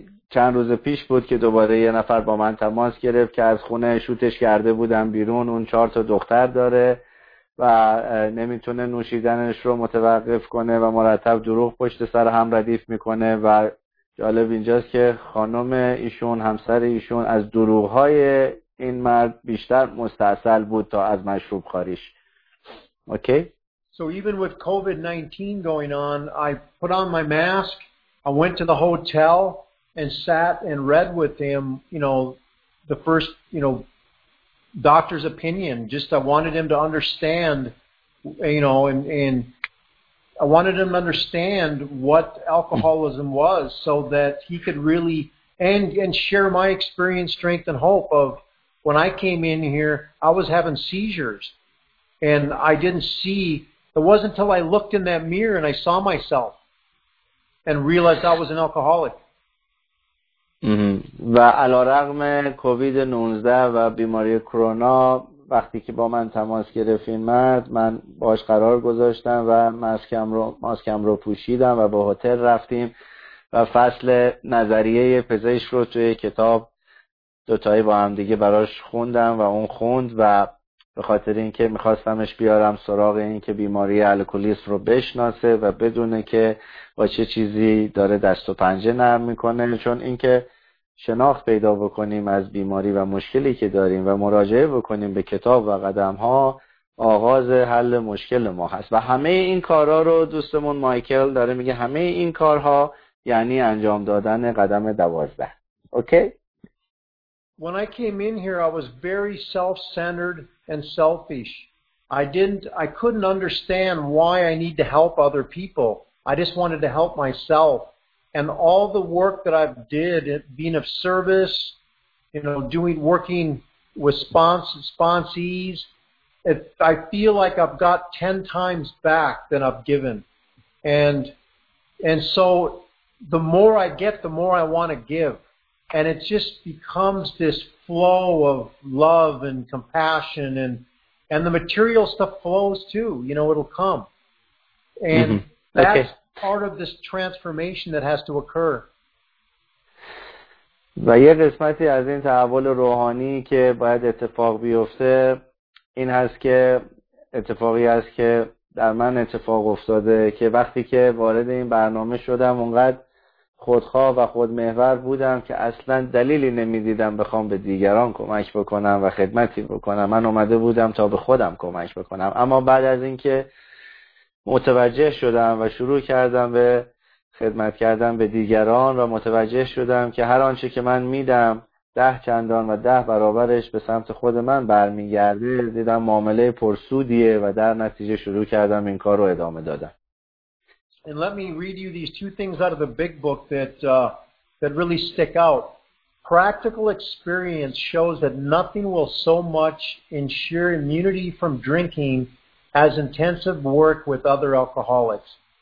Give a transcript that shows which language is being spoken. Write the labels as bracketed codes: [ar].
[fa] چند روز پیش بود که دوباره یه نفر با من تماس گرفت که از خونه شوتش کرده بودم بیرون، اون 4 تا دختر داره و نمیتونه نوشیدنش رو متوقف کنه و مرتب دروغ پشت سر هم ردیف میکنه و جالب اینجاست که خانم ایشون، همسر ایشون، از دروغهای این مرد بیشتر مستاصل بود تا از مشروب خاریش. اوکی؟ [en] So even with COVID-19 going on, I put on my mask, I went to the hotel and sat and read with him, you know, the first, you know, doctor's opinion. Just I wanted him to understand, you know, and I wanted him to understand what alcoholism was so that he could really and share my experience, strength, and hope of when I came in here, I was having seizures. And I didn't see, it wasn't until I looked in that mirror and I saw myself and realized I was an alcoholic. [fa] و علارغم کووید 19 و بیماری کرونا وقتی که با من تماس گرفت این مرد، من باش قرار گذاشتم و ماسکم رو پوشیدم و به هتل رفتیم و فصل نظریه پزشک رو توی کتاب دوتایی با هم دیگه براش خوندم و اون خوند و به خاطر اینکه میخواستمش بیارم سراغ اینکه بیماری الکلیسم رو بشناسه و بدونه که با چه چیزی داره دست و پنجه نرم میکنه، چون اینکه شناخت پیدا بکنیم از بیماری و مشکلی که داریم و مراجعه بکنیم به کتاب و قدم‌ها آغاز حل مشکل ما هست و همه این کارا رو دوستمون مایکل داره میگه، همه این کارها یعنی انجام دادن قدم 12. اوکی؟ [en] When I came in here, I was very self-centered. and selfish. I couldn't understand why I need to help other people. I just wanted to help myself. And all the work that I've did, being of service, you know, working with sponsees, I feel like I've got 10 times back than I've given. And so the more I get, the more I want to give. And it just becomes this flow of love and compassion, and the material stuff flows too. You know, it'll come. And that's part of this transformation that has to occur. [fa] و یه قسمتی از این تحول روحانی که باید اتفاق بیفته این هست که اتفاقی هست که در من اتفاق افتاده که وقتی که وارد این برنامه شدم اونقدر خودخواه و خودمحور بودم که اصلا دلیلی نمیدیدم بخوام به دیگران کمک بکنم و خدمتی بکنم. من اومده بودم تا به خودم کمک بکنم، اما بعد از اینکه متوجه شدم و شروع کردم به خدمت کردم به دیگران و متوجه شدم که هر آنچه که من میدم 10 چندان و 10 برابرش به سمت خود من برمیگرده، دیدم معامله پرسودیه و در نتیجه شروع کردم این کار رو ادامه دادم. [en] And let me read you these two things out of the big book that really stick out. Practical experience shows that nothing will so much ensure immunity from drinking as intensive work with other alcoholics.